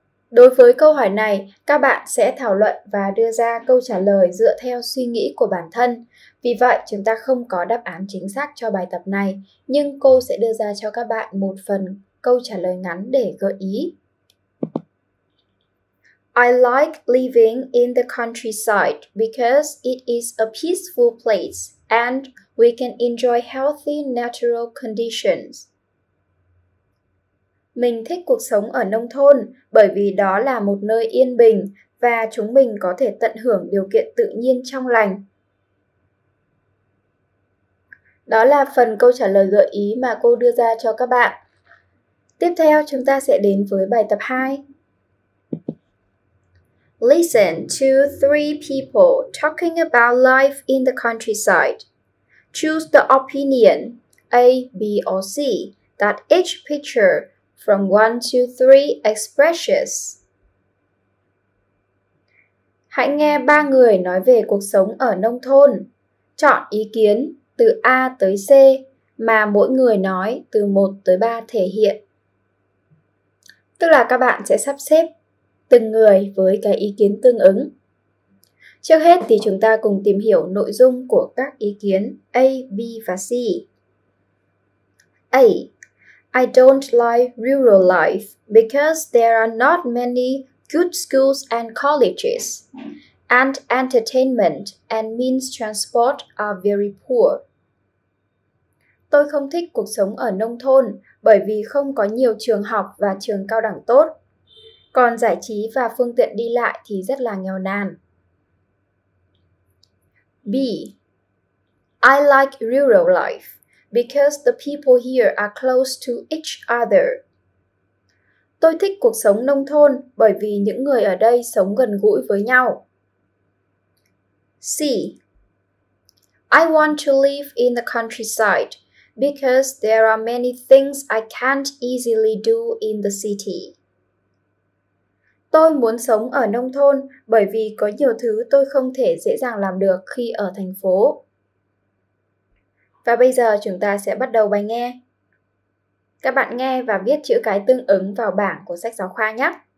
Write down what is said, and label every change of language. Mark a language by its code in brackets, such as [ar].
[vi] Đối với câu hỏi này, các bạn sẽ thảo luận và đưa ra câu trả lời dựa theo suy nghĩ của bản thân. Vì vậy, chúng ta không có đáp án chính xác cho bài tập này, nhưng cô sẽ đưa ra cho các bạn một phần câu trả lời ngắn để gợi ý. [en] I like living in the countryside because it is a peaceful place and we can enjoy healthy natural conditions. [vi] Mình thích cuộc sống ở nông thôn bởi vì đó là một nơi yên bình và chúng mình có thể tận hưởng điều kiện tự nhiên trong lành. Đó là phần câu trả lời gợi ý mà cô đưa ra cho các bạn. Tiếp theo chúng ta sẽ đến với bài tập 2. [en] Listen to three people talking about life in the countryside. Choose the opinion A, B or C that each picture from 1 to 3 expresses. [vi] Hãy nghe ba người nói về cuộc sống ở nông thôn. Chọn ý kiến từ A tới C mà mỗi người nói từ 1 tới 3 thể hiện. Tức là các bạn sẽ sắp xếp từng người với cái ý kiến tương ứng. Trước hết thì chúng ta cùng tìm hiểu nội dung của các ý kiến A, B và C. A. [en] I don't like rural life because there are not many good schools and colleges, and entertainment and means transport are very poor. [vi] Tôi không thích cuộc sống ở nông thôn bởi vì không có nhiều trường học và trường cao đẳng tốt. Còn giải trí và phương tiện đi lại thì rất là nghèo nàn. B. [en] I like rural life because the people here are close to each other. [vi] Tôi thích cuộc sống nông thôn bởi vì những người ở đây sống gần gũi với nhau. C. [en] I want to live in the countryside because there are many things I can't easily do in the city. [vi] Tôi muốn sống ở nông thôn bởi vì có nhiều thứ tôi không thể dễ dàng làm được khi ở thành phố. Và bây giờ chúng ta sẽ bắt đầu bài nghe. Các bạn nghe và viết chữ cái tương ứng vào bảng của sách giáo khoa nhé.